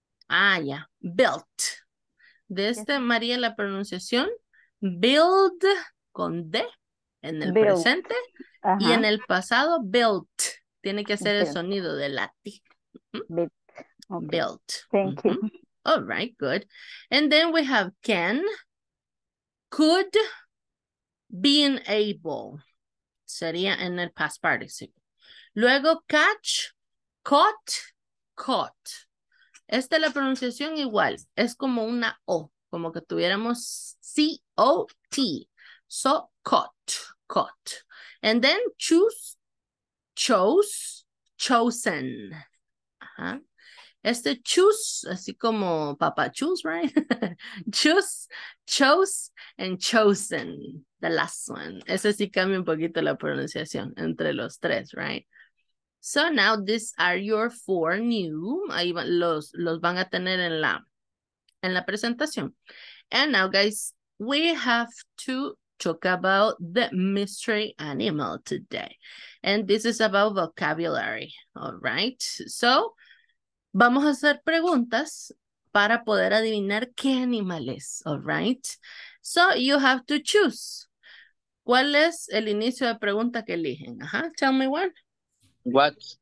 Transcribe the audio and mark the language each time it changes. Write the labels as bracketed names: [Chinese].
[Spanish] Ah, ya. Yeah. Built. De este, yes. María, la pronunciación. Build con D en el built. Presente. Uh-huh. Y en el pasado, built. Tiene que hacer built. El sonido de la T. [English] Built. Okay. Built. Thank mm-hmm. you. All right, good. And then we have can, could, being able. [Spanish] Sería en el past participle. Luego catch, caught, caught. Esta es la pronunciación igual. Es como una O, como que tuviéramos C-O-T. [English] So, caught, caught. And then choose, chose, chosen. Ajá. Este choose, [Spanish] así como papá [English] choose, right? Choose, chose, and chosen. The last one. [Spanish] Ese sí cambia un poquito la pronunciación entre los tres, right? [English] So now these are your four new. [Spanish] Ahí los van a tener en la presentación. [English] And now, guys, we have to talk about the mystery animal today. And this is about vocabulary, all right? [Spanish] So, vamos a hacer preguntas para poder adivinar qué animal es, all right? [English] So, you have to choose. [Spanish] ¿Cuál es el inicio de pregunta que eligen? Ajá, [English] tell me one. What?